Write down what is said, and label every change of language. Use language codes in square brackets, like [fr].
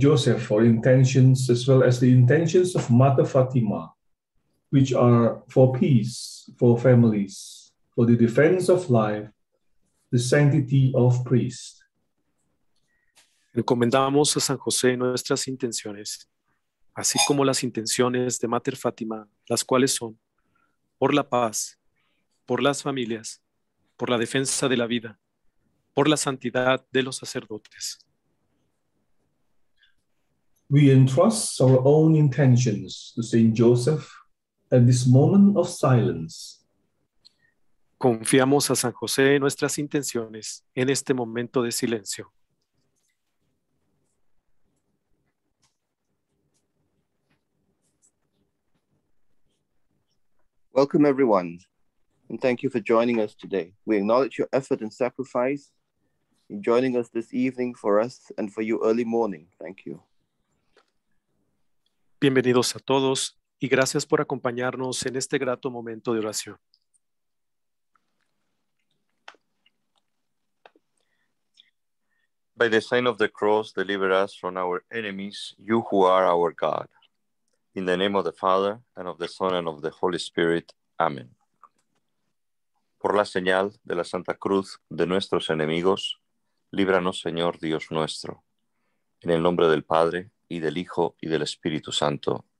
[en] Joseph our intentions as well as the intentions of Mater Fatima, which are for peace, for families, for the defense of life, the sanctity of priests. [es] Encomendamos a San José nuestras intenciones, así como las intenciones de Mater Fatima, las cuales son por la paz, por las familias, por la defensa de la vida, por la santidad de los sacerdotes. [en] We entrust our own intentions to Saint Joseph at this moment of silence. [es] Confiamos a San José nuestras intenciones en este momento de silencio. [en] Welcome everyone, and thank you for joining us today. We acknowledge your effort and sacrifice in joining us this evening for us and for you early morning. Thank you. [es] Bienvenidos a todos y gracias por acompañarnos en este grato momento de oración. [en] By the sign of the cross, deliver us from our enemies, you who are our God. In the name of the Father, and of the Son, and of the Holy Spirit. Amen. [es] Por la señal de la Santa Cruz de nuestros enemigos, líbranos, Señor Dios nuestro. En el nombre del Padre, y del Hijo y del Espíritu Santo.